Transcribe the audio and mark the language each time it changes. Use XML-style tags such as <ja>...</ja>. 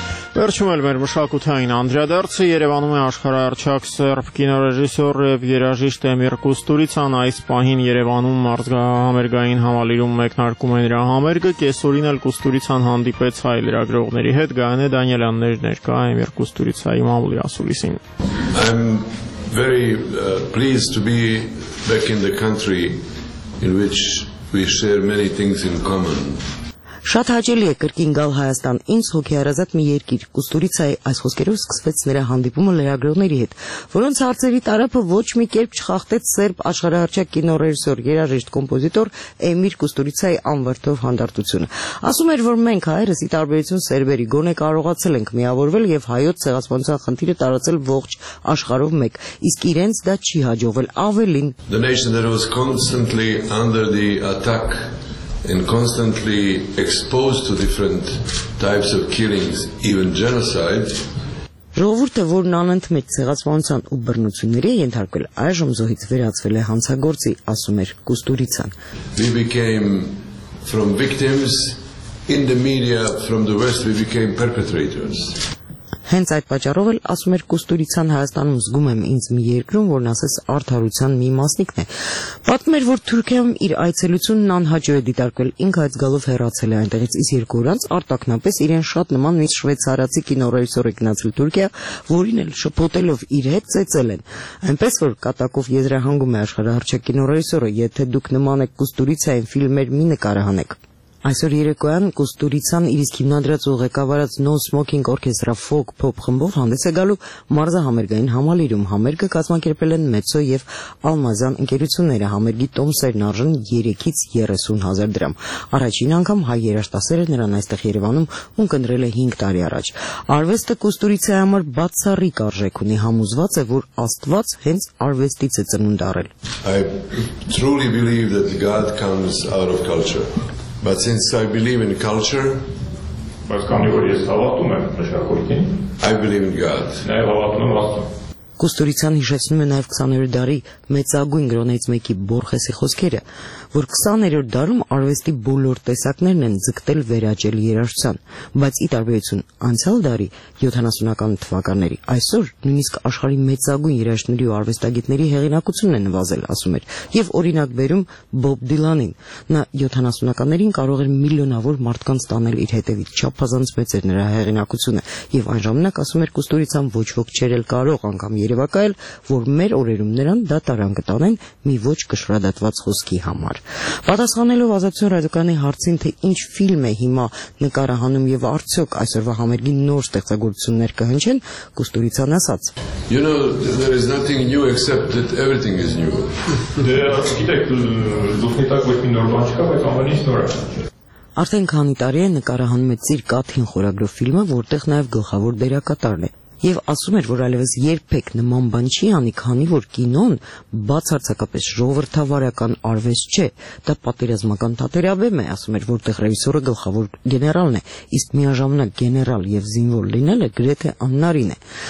<hy>Վերջում էլ մեր մշակութային անդրադարձը Երևանում է աշխարհահռչակ սերբ կինոռեժիսոր և երաժիշտ Էմիր Կուստուրիցան այս պահին Երևանում մարզահամերգային համալիրում մեկնարկում է նրա համերգը, կեսօրին էլ Կուստուրիցան հանդիպեց հայ լրագրողների հետ, Գայանե Դանիելյաններ ներկա Էմիր Կուստուրիցայի մամուլի ասուլիսին։</hy> <en>I'm very pleased to be back in the country in which we share many things in common.</en> <hy>Շատ հաճելի է կրկին գալ Հայաստան, ինձ հոգեհարազատ մի երկիր, Կուստուրիցայի այս խոսքերով սկսվեց նրա հանդիպումը լրագրողների հետ, որոնց հարցերի տարափը ոչ մի կերպ չխախտեց սերբ աշխարհահռչակ կինոռեժիսոր, երաժիշտ, կոմպոզիտոր Էմիր Կուստուրիցայի անվրդով հանդարտությունը։ Ասում էր, որ մենք հայերս ի տարբերություն սերբերի գոնե կարողացել ենք միավորվել և հայոց ցեղասպանության խնդիրը տարածել ողջ աշխարհով մեկ, իսկ իրենց դա չի հաջողվել, ավելին։</hy> <en>The nation that was constantly under the attack and constantly exposed to different types of killings, even genocide.</en> <hy>Ժողովուրդը, որն անընդմեջ ցեղասպանության ու բռնությունների ենթարկվել, այժմ զոհից վերածվել է հանցագործի, ասում էր Կուստուրիցան։</hy> <en>We became from victims, in the media, from the West, we became perpetrators.</en> <hy>Հենց այդ պատճառով էլ ասում էր Կուստուրիցյան Հայաստանում զգում եմ ինձ մի երկրում, որն ասես արդարության մի մասնիկն է։ Պատմում էր, որ Թուրքիայում իր այցելությունն անհաջող է դիտարկվել, ինքը այդ գալով հեռացել է այնտեղից, իսկ երկու օր անց արտաքնապես իրեն շատ նման մի շվեցարացի կինոռեժիսոր է գնացել Թուրքիա, որին էլ շփոթելով իր հետ ծեծել են։ Այնպես որ կատակով եզրահանգում է աշխարհահռչակ կինոռեժիսորը, եթե դուք նման եք Կուստուրիցյան ֆիլմեր մի նկարահանեք։ Այսօր երեկոյան Կուստուրիցյան իր հիմնադրած ու ղեկավարած No Smoking Orchestra Folk Pop խմբով հանդես է գալու մարզահամերգային համալիրում։ Համերգը կազմակերպել են Մեցո և Ալմազյան ընկերությունները, համերգի տոմսերն արժան 3-ից 30,000 դրամ։ Առաջին անգամ հայ երաժշտասերը նրան այստեղ Երևանում ունկնդրել է 5 տարի առաջ։ Արվեստը Կուստուրիցյանի համար բացառիկ արժեք ունի, համոզված է, որ Աստված հենց արվեստից է ծնունդ առել։</hy> <en>I truly believe that God comes out of culture. But since I believe in culture, I believe in God.</en> <hy>Կուստուրիցյան հիշեցնում է նաև 20-րդ դարի մեծագույն գրոնից մեկի Բորխեսի խոսքերը, որ 20-րդ դարում արվեստի բոլոր տեսակներն են ձգտել վերաճել երաժշտության, բայց ի տարբերություն անցյալ դարի 70-ական թվականների, այսօր նույնիսկ աշխարհի մեծագույն երաժշտների ու արվեստագետների հեղինակությունն է նվազել, ասում էր, և օրինակ բերում Բոբ Դիլանին, նա 70-ականներին կարող էր միլիոնավոր մարդկանց տանել իր հետևից, չափազանց մեծ էր նրա հեղինակությունը, և այն ժամանակ ասում էր Կուստուրիցյան ոչ ոք չէր էլ կարող անգամ երևակայել, որ մեր օրերում նրան դատարան կտանեն մի ոչ կշռադատված խոսքի համար։ Պատասխանելով Ազատության ռադիոկանի հարցին, թե ինչ ֆիլմ է հիմա նկարահանում և արդյոք այսօրվա համերգին նոր ստեղծագործություններ կհնչեն, Կուստուրիցյան ասաց.</hy> <en>You know, there is nothing new except that everything is new.</en> <hy>Արդեն քանի տարի է նկարահանում է Ծիր կաթին խորագրով ֆիլմը, որտեղ նաև գլխավոր դերակատարն է։ Եվ ասում էր, որ այլևս երբեք նման բան չի անի, քանի որ կինոն բացարձակապես ժողովրդավարական արվեստ չէ, դա պատերազմական թատերաբեմ է, ասում էր, որտեղ ռեժիսորը գլխավոր գեներալն է, իսկ միաժամանակ գեներալ և զինվոր լինելը գրեթե աննարին է,</hy>